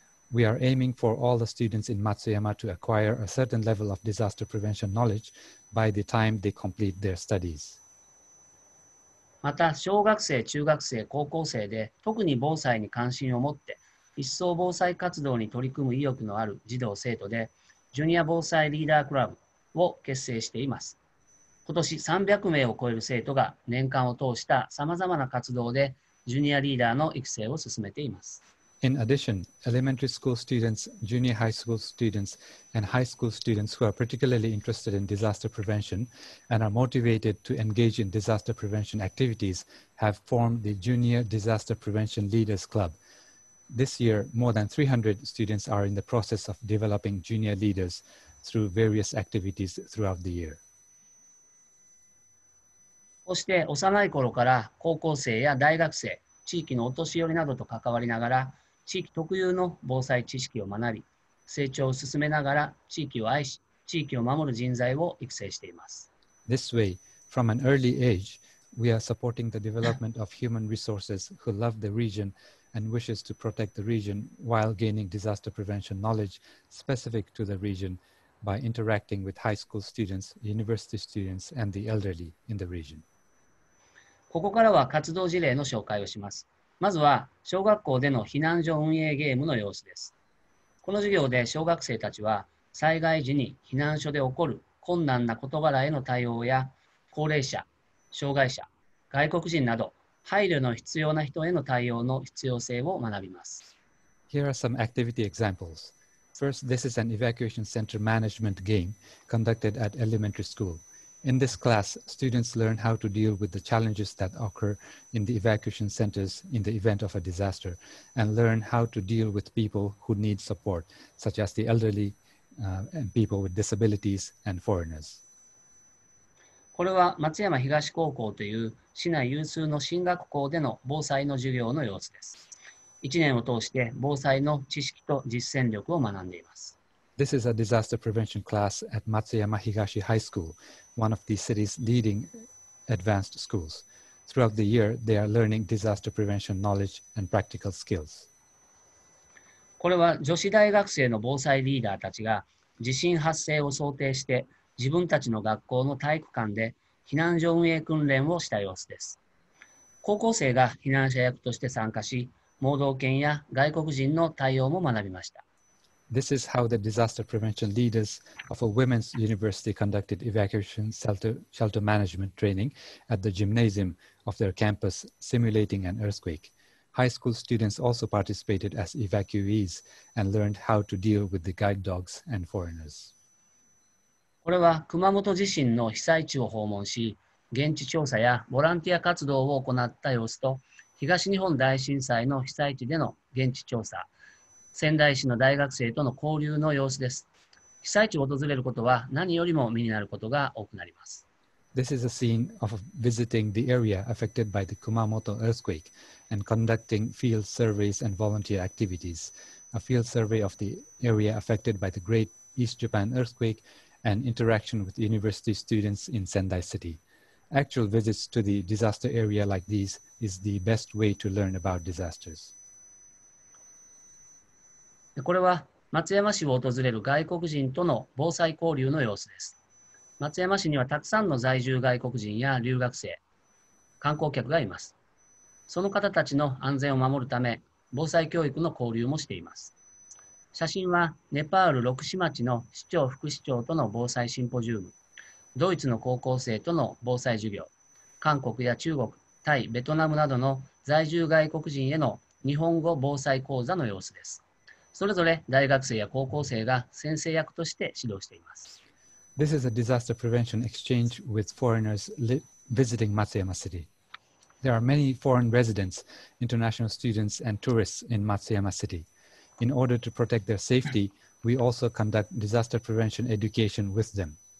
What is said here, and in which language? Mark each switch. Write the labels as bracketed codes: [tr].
[en] We are aiming for all the students in Matsuyama to acquire a certain level of disaster prevention knowledge by the time they complete their studies. [ja] また、小学生、中学生、高校生で特に防災に関心を持って、一層防災活動に取り組む意欲のある児童生徒で、ジュニア防災リーダークラブを結成しています。今年300名を超える生徒が年間を通したさまざまな活動でジュニアリーダーの育成を進めています。 [en] In addition, elementary school students, junior high school students, and high school students who are particularly interested in disaster prevention and are motivated to engage in disaster prevention activities have formed the Junior Disaster Prevention Leaders Club. This year, more than 300 students are in the process of developing junior leaders through various activities throughout the year. [ja] そして、幼い頃から高校生や大学生、地域のお年寄りなどと関わりながら、地域特有の防災知識を学び、成長を進めながら、地域を愛し、地域を守る人材を育成しています。 [en] This way, from an early age, we are supporting the development of human resources who love the region. And wishes to protect the region while gaining disaster prevention knowledge specific to the region by interacting with high school students, university students, and the elderly in the region. [ja] ここからは活動事例の紹介をします。まずは小学校での避難所運営ゲームの様子です。この授業で小学生たちは災害時に避難所で起こる困難な事柄への対応や高齢者、障害者、外国人など配慮の必要な人への対応の必要性を学びます。 [en] Here are some activity examples. First, this is an evacuation center management game conducted at elementary school. In this class, students learn how to deal with the challenges that occur in the evacuation centers in the event of a disaster and learn how to deal with people who need support, such as the elderly, and people with disabilities and foreigners. [ja] これは松山東高校という市内有数の進学校での防災の授業の様子です。 1年を通して防災の知識と実践力を学んでいます。 [en] This is a disaster prevention class at Matsuyama Higashi High School, one of the city's leading advanced schools. Throughout the year, they are learning disaster prevention knowledge and practical skills. [ja] これは女子大学生の防災リーダーたちが地震発生を想定して自分たちの学校の体育館で避難所運営訓練をした様子です。高校生が避難者役として参加し、盲導犬や外国人の対応も学びました。 [en] This is how the disaster prevention leaders of a women's university conducted evacuation shelter management training at the gymnasium of their campus, simulating an earthquake. High school students also participated as evacuees and learned how to deal with the guide dogs and foreigners. [ja] これは熊本地震の被災地を訪問し、現地調査やボランティア活動を行った様子と、東日本大震災の被災地での現地調査、仙台市の大学生との交流の様子です。被災地を訪れることは何よりも身になることが多くなります。 [en] This is a scene of visiting the area affected by the Kumamoto earthquake and conducting field surveys and volunteer activities. A field survey of the area affected by the Great East Japan earthquake and interaction with university students in Sendai City. Actual visits to the disaster area like these is the best way to learn about disasters. [ja] これは松山市を訪れる外国人との防災交流の様子です。松山市にはたくさんの在住外国人や留学生、観光客がいます。その方たちの安全を守るため、防災教育の交流もしています。写真はネパール六市町の市長副市長との防災シンポジウム、ドイツの高校生との防災授業、韓国や中国、タイ、ベトナムなどの在住外国人への日本語防災講座の様子です。それぞれ大学生や高校生が先生役として指導しています。 [en] This is a disaster prevention exchange with foreigners visiting Matsuyama City. There are many foreign residents, international students and tourists in Matsuyama City. In order to protect their safety, we also conduct disaster prevention education with them.